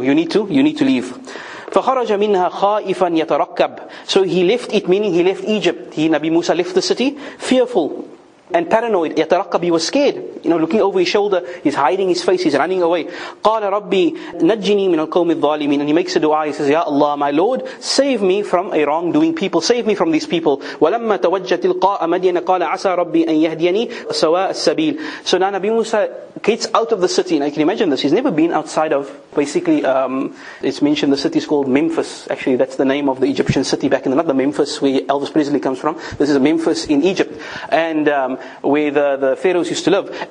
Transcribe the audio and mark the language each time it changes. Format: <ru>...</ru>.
<en>You need to leave.</en> <ar>فَخَرَجَ مِنْهَا خَائِفًا يَتَرَكَّبُ.</ar> <en>So he left it, meaning he left Egypt. He, Nabi Musa, left the city, fearful. and paranoid. يترقب, he was scared. You know, looking over his shoulder, he's hiding his face, he's running away.</en> <ar>قال ربي نجني من القوم الظالمين.</ar> <en>And he makes a dua, he says, Ya Allah, my Lord, save me from a wrongdoing people, save me from these people.</en> <ar>ولما توجه تلقاء مدين قال عسى ربي أن يهديني سواء السبيل.</ar> <en>So now Nabi Musa gets out of the city, and I can imagine this, he's never been outside of, basically, it's mentioned the city is called Memphis. Actually, that's the name of the Egyptian city back in the, not the Memphis where Elvis Presley comes from. This is Memphis in Egypt, and where the pharaohs used to live.</en>